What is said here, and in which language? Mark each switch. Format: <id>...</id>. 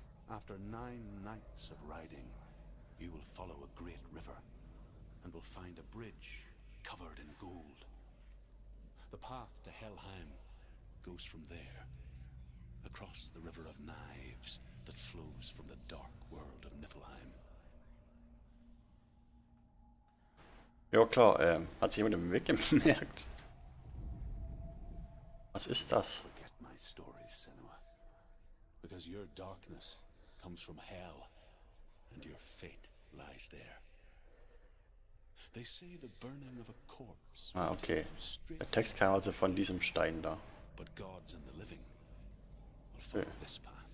<en>After 9 nights of riding, you will follow a great river and will find a bridge covered in gold. The path to Helheim goes from there, across the river of knives that flows from the dark world of Niflheim.</en> <de>Ja klar, hat sich jemand im Weg gemerkt? Was ist das?</de> <en>Forget my stories, Senua. Because your darkness comes from hell, and your fate lies there. They say the burning of a corpse. Ah, okay.</en> <de>Der Text kam also von diesem Stein da.</de> <en>But gods and the living will follow this path.</en>